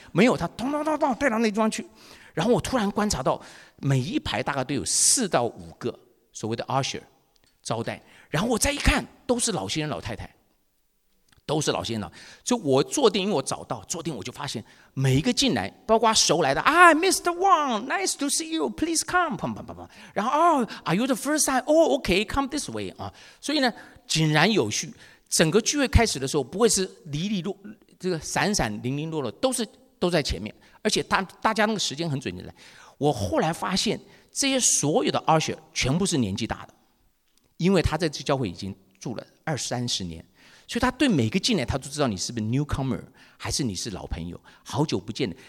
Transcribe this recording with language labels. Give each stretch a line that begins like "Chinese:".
Chinese: 没有，他咚咚咚咚带到那地方去。然后我突然观察到，每一排大概都有4到5个所谓的 usher 招待。然后我再一看，都是老先生老太太，都是老先生老。所以我坐定，因为我找到坐定，我就发现每一个进来，包括熟来的啊 ，Mr.
English: Wang， nice to see you， please come， 砰砰砰砰。
Chinese: 然后哦
English: ，Are you the first time？ 哦 ，OK， come this way 啊。
Chinese: 所以呢，井然有序。整个聚会开始的时候，不会是闪闪零零落落，都在前面，而且大家那个时间很准进来。我后来发现，这些所有的 usher 全部是年纪大的，因为他在这教会已经住了二三十年，所以他对每个进来他都知道你是不是 newcomer 还是你是老朋友好久不见的。